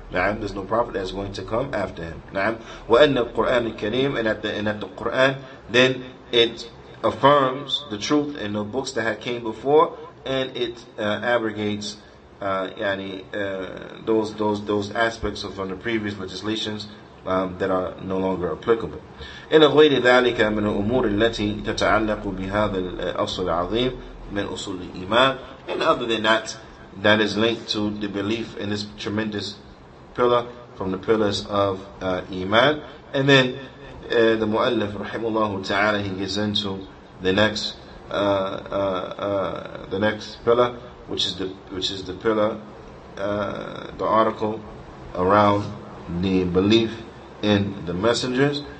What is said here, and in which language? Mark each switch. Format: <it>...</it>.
<en>Na'am, there's no prophet that's going to come after him. Na'am.</en> <ar>Wa anna al-Quran al-Kareem,</ar> <en>and at the Quran, then it affirms the truth in the books that had came before, and it abrogates those aspects of from the previous legislations that are no longer applicable.</en> <ar>إلى غير ذلك من الأمور التي تتعلق بهذا الأصل العظيم من أصول الإيمان.</ar> <en>And other than that, that is linked to the belief in this tremendous pillar from the pillars of Iman. And then the</en> <ar>مؤلف رحمه الله تعالى,</ar> <en>he gets into the next pillar, which is the pillar, the article around the belief in the messengers.</en>